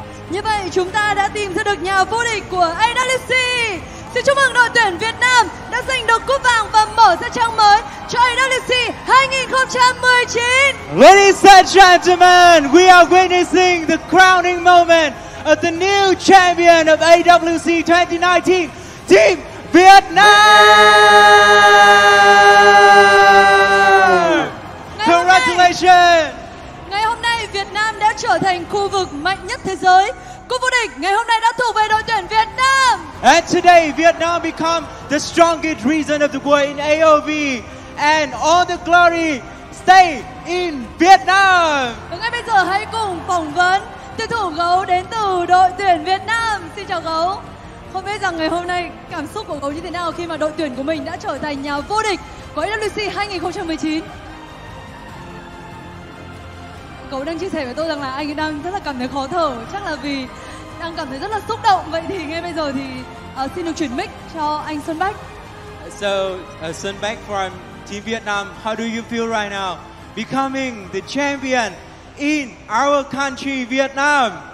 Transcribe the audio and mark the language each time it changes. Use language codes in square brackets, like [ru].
[vi] Như vậy chúng ta đã tìm ra được nhà vô địch của AWC. Xin chúc mừng đội tuyển Việt Nam đã giành được cúp vàng và mở ra trang mới cho AWC 2019. [en] Ladies and gentlemen, we are witnessing the crowning moment of the new champion of AWC 2019, Team Vietnam! Congratulations! [vi] Ngày hôm nay Việt Nam đã trở thành khu vực mạnh nhất thế giới. Cúp vô địch ngày hôm nay đã thuộc về đội tuyển Việt Nam. [en] And today Vietnam become the strongest region of the world in AOV, and all the glory stay in Vietnam. [vi] Và ngay bây giờ hãy cùng phỏng vấn tuyển thủ gấu đến từ đội tuyển Việt Nam. Xin chào gấu. Không biết rằng ngày hôm nay cảm xúc của gấu như thế nào khi mà đội tuyển của mình đã trở thành nhà vô địch của AWC 2019. Cậu đang chia sẻ với tôi rằng là anh đang rất là cảm thấy khó thở, chắc là vì đang cảm thấy rất là xúc động. Vậy thì ngay bây giờ thì xin được chuyển mic cho anh Xuân Bách. [en] So, Xuân Bách from Team Vietnam, how do you feel right now becoming the champion in our country Vietnam?